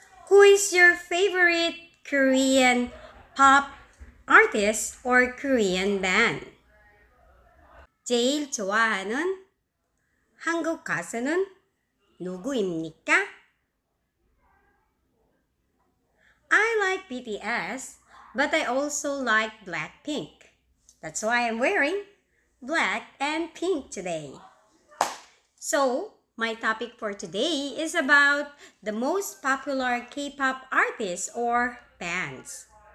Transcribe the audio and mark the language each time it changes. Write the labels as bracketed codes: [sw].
[en] Who is your favorite Korean pop artist or Korean band? [ko] 제일 좋아하는 한국 가수는 누구입니까? [en] I like BTS, but I also like Blackpink. That's why I'm wearing black and pink today. So, my topic for today is about the most popular K-pop artists or bands.